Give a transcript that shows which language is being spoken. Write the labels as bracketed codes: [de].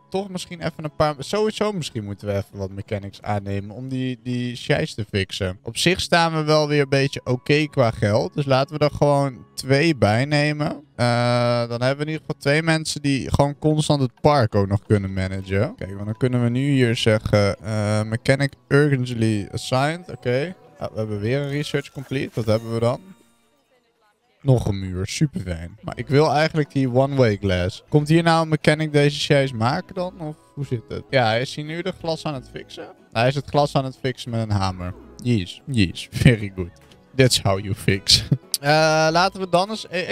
[nl] Toch misschien even een paar... Sowieso misschien moeten we even wat mechanics aannemen om die scheids te fixen. Op zich staan we wel weer een beetje oké qua geld. Dus laten we er gewoon 2 bij nemen. Dan hebben we in ieder geval 2 mensen die gewoon constant het park ook nog kunnen managen. Kijk, want dan kunnen we nu hier zeggen... [en] mechanic urgently assigned. [nl] Oké. We hebben weer een research complete. Wat hebben we dan? Nog een muur, super fijn. Maar ik wil eigenlijk die one-way glass. Komt hier nou een mechanic deze chaise maken dan? Of hoe zit het? Ja, is hij nu de glas aan het fixen? Hij is het glas aan het fixen met een hamer. [en] Yes, very good. That's how you fix. [nl] Laten we dan eens...